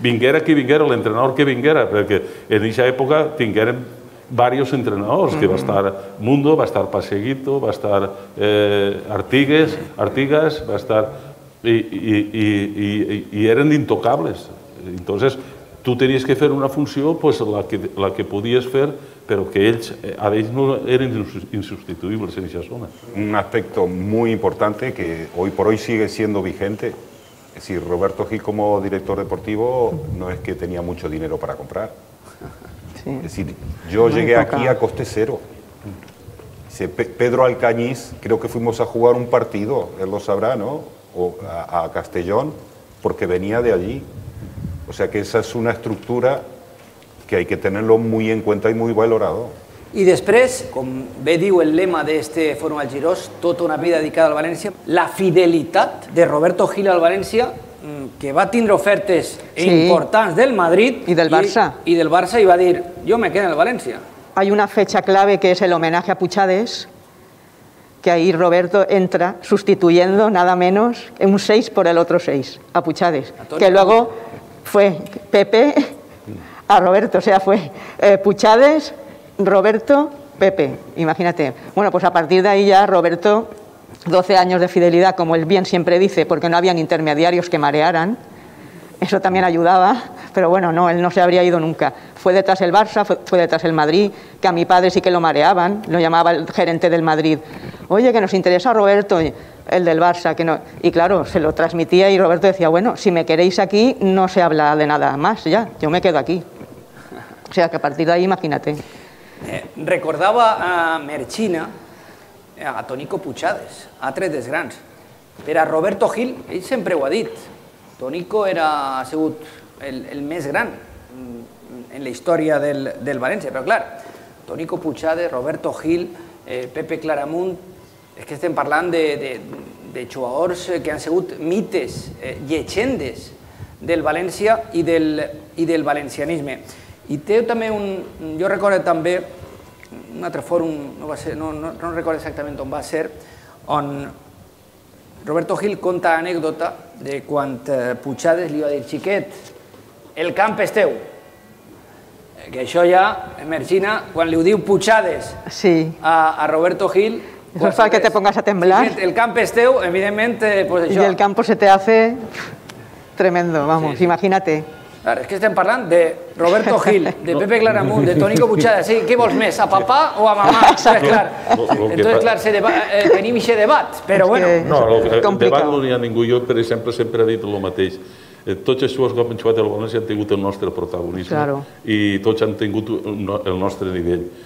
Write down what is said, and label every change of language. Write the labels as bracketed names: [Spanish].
[Catalan] Vinguera qui vinguera, l'entrenador que vinguera, perquè en aquesta època tingueren varios entrenadors, que va estar Mundo, va estar Paseguito, va estar Artigas, va estar... I eren intocables. Entonces, tu tenies que fer una funció, pues la que podies fer, però que ells, a ells no eren insubstituïbles en aquesta zona. Un aspecte molt important [Spanish] que hoy por hoy sigue siendo vigente. Es decir, Roberto Gil como director deportivo no es que tenía mucho dinero para comprar. Sí. Es decir, yo llegué aquí a coste cero. Pedro Alcañiz, creo que fuimos a jugar un partido, él lo sabrá, ¿no? O a Castellón, porque venía de allí. O sea que esa es una estructura que hay que tenerlo muy en cuenta y muy valorado. Y después, como bé diu el lema de este Fórum al Girós, toda una vida dedicada al València, la fidelidad de Roberto Gil al València, [Catalan] que va tindre ofertes importants del Madrid i del Barça, i va dir, jo me quedo en el València. [Spanish] Hay una fecha clave que es el homenaje a Puchades, que ahí Roberto entra sustituyendo nada menos un 6 por el otro 6, a Puchades, que luego fue Pepe a Roberto, o sea, fue Puchades, Roberto, Pepe, imagínate. Bueno, pues a partir de ahí ya Roberto... 12 años de fidelidad, como él bien siempre dice, porque no habían intermediarios que marearan, eso también ayudaba, pero bueno, no, él no se habría ido nunca. Fue detrás el Barça, fue detrás el Madrid, que a mi padre sí que lo mareaban, lo llamaba el gerente del Madrid. Oye, que nos interesa Roberto, el del Barça, que no... Y claro, se lo transmitía y Roberto decía, bueno, si me queréis aquí, no se habla de nada más, ya, yo me quedo aquí. O sea, que a partir de ahí, imagínate. Recordaba a Merchina, a Tonico Puchades, a Tres des Grans, pero a Roberto Gil, él siempre lo ha dicho. [Catalan] Tonico era segut el més gran en la història del València, però clar, Tonico Puchades, Roberto Gil, Pepe Claramunt, és que estem parlant de jugadors que han segut mites, llegendes del València i del valencianisme. I té també jo recordo també un altre fòrum, no recordo exactament on va ser, on Roberto Gil conta l'anècdota de quan Puchades li va dir, xiquet, el camp és teu. Que això ja, Merchina, quan li ho diu Puchades a Roberto Gil... Això fa que [Spanish] te pongas a temblar. [Catalan] El camp és teu, evidentment, pues això. [Spanish] I el campo se te hace tremendo, vamos, imagínate. [Catalan] Claro, es que estem parlant de Roberto Gil, de Pepe Claramunt, de Tonico Puchades. Sí, què vols més, a papà o a mamà? Entonces, claro, tenim ese debat, però bueno. No, el debat no n'hi ha ningú. Jo, per exemple, sempre he dit el mateix. Tots els jugadors que han jugat al València han tingut el nostre protagonisme i tots han tingut el nostre nivell.